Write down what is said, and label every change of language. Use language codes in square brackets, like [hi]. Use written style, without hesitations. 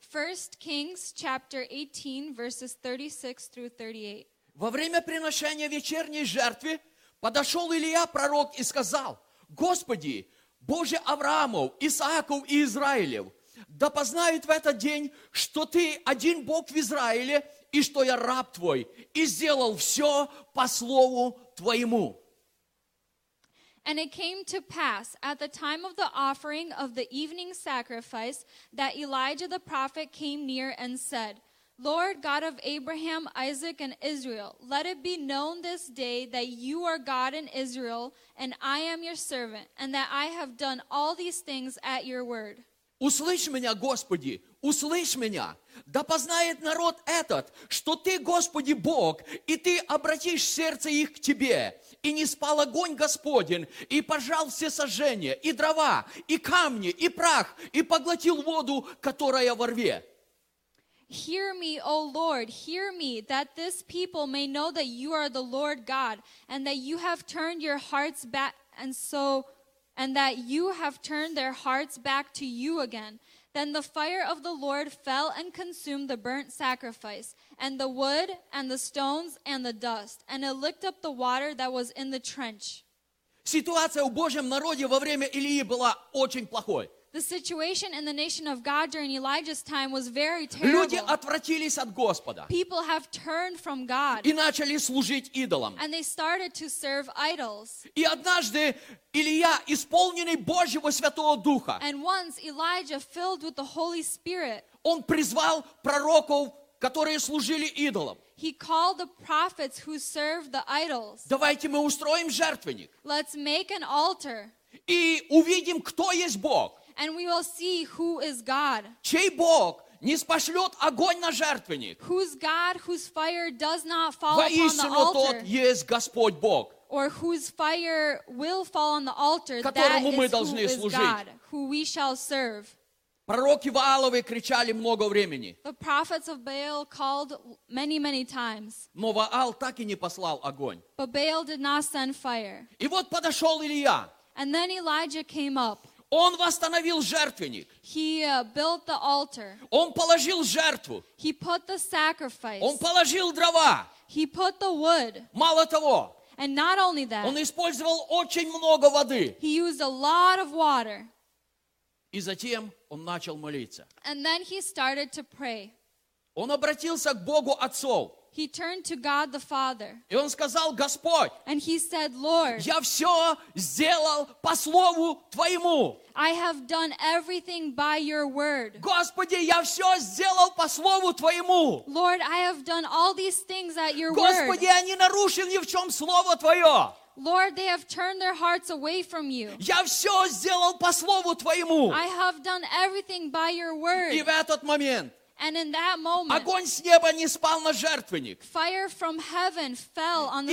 [en] 1 Kings, chapter 18, verses 36 through 38. [ru] Во время приношения вечерней жертвы подошел Илия, пророк, и сказал, «Господи, Боже Авраамов, Исааков и Израилев, да познают в этот день, что Ты один Бог в Израиле, и что я раб твой, и сделал все по слову твоему. [en] And it came to pass at the time of the offering of the evening sacrifice that Elijah the prophet came near and said, Lord God of Abraham, Isaac, and Israel, let it be known this day that you are God in Israel, and I am your servant, and that I have done all these things at your word. [ru] Услышь меня, Господи, услышь меня. Да познает народ этот, что ты, Господи, Бог, и ты обратишь сердце их к тебе. И не спал огонь Господень, и пожал все сожжения, и дрова, и камни, и прах, и поглотил воду, которая во рве. [en] Hear me, O Lord, hear me, that this people may know that you are the Lord God, and that you have turned your hearts back, and that you have turned their hearts back to you again. Then the fire of the Lord fell and consumed the burnt sacrifice, and the wood, and the stones, and the dust, and it licked up the water that was in the trench. [ru] Ситуация в Божьем народе во время Илии была очень плохой. [en] The situation in the nation of God during Elijah's time was very terrible. [ru] Люди отвратились от Господа. [en] People have turned from God. [ru] И начали служить идолам. [en] And they started to serve idols. [ru] И однажды Илия, исполненный Божьего Святого Духа, [en] And once Elijah, filled with the Holy Spirit, [ru] он призвал пророков, которые служили идолам. [en] He called the prophets who served the idols. [ru] Давайте мы устроим жертвенник. [en] Let's make an altar. [ru] И увидим, кто есть Бог. [en] And we will see who is God. [ru] Чей Бог не спошлет огонь на жертвенник? [en] Whose God, whose fire does not fall upon the altar? [ru] Воистину тот есть Господь Бог. [en] Or whose fire will fall on the altar? [ru] Которому [en] that [ru] мы [en] is [ru] должны [en] who is [ru] служить. [en] God, who we shall serve. [ru] Пророки Ваалови кричали много времени. [en] The prophets of Baal called many, many times. [ru] Но Ваал так и не послал огонь. [en] But Baal did not send fire. [ru] И вот подошел Илия. [en] And then Elijah came up. [ru] Он восстановил жертвенник. [en] He built the altar. [ru] Он положил жертву. [en] He put the sacrifice. [ru] Он положил дрова. [en] He put the wood. [ru] Мало того. [en] And not only that. [ru] Он использовал очень много воды. [en] He used a lot of water. [ru] И затем он начал молиться. [en] And then he started to pray. [ru] Он обратился к Богу Отцу. [en] He turned to God the Father. [ru] И он сказал, Господь, [en] and he said, Lord, [ru] я все сделал по слову Твоему. [en] I have done everything by your word. [ru] Господи, я все сделал по слову Твоему. [en] Lord, I have done all these things at your [ru] Господи, [en] word. [ru] Господи, я не нарушил ни в чем слово Твое. [en] Lord, they have turned their hearts away from you. [ru] Я все сделал по слову Твоему. [en] I have done everything by your word. [ru] И в этот момент [en] And in that moment, [ru] огонь с неба не спал на жертвенник. [en] Fire from heaven fell on the